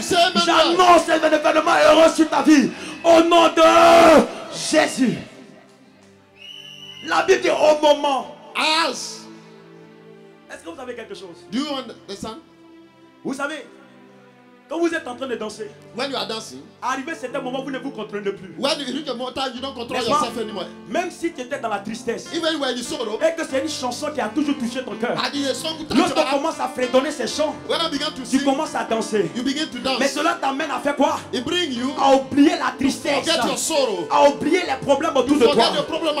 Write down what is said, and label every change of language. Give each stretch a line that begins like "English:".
French: J'annonce un événement heureux sur ta vie. Au nom de Jésus. La Bible dit au moment. Est-ce que vous avez quelque chose?
English: Do you understand?
French: Vous savez, quand vous êtes en train de danser,
English: when you are dancing,
French: arrivé à certains moments, vous ne vous contrôlez plus.
English: When you reach a moment, you don't control yourself anymore.
French: Même si tu étais dans la tristesse,
English: even when you sorrow,
French: et que c'est une chanson qui a toujours touché ton cœur, lorsque tu commences à fredonner ces chants,
English: when I began to sing,
French: tu commences à danser.
English: You begin to dance.
French: Mais cela t'amène à faire quoi?
English: It bring you
French: à oublier la tristesse,
English: forget your sorrow,
French: à oublier les problèmes autour
English: you
French: de toi.
English: Your problem